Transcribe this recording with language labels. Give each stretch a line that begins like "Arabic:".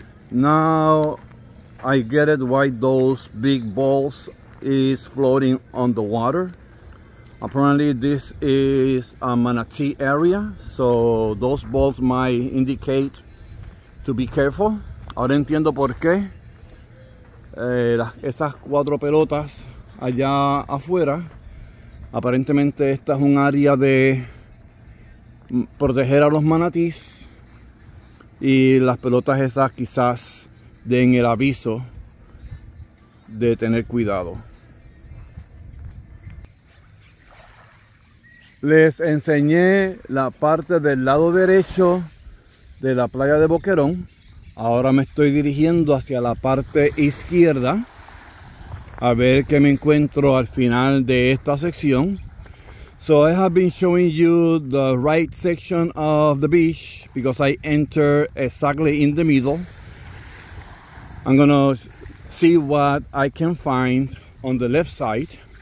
English: Now I get it why those big balls is floating on the water. Apparently this is a manatee area, so those balls might indicate to be careful.
Spanish: Ahora entiendo por qué esas cuatro pelotas allá afuera. Aparentemente esta es un área de proteger a los manatees. Y las pelotas esas quizás den el aviso de tener cuidado. Les enseñé la parte del lado derecho de la playa de Boquerón. Ahora me estoy dirigiendo hacia la parte izquierda a ver qué me encuentro al final de esta sección.
English: So I have been showing you the right section of the beach because I enter exactly in the middle. I'm gonna see what I can find on the left side.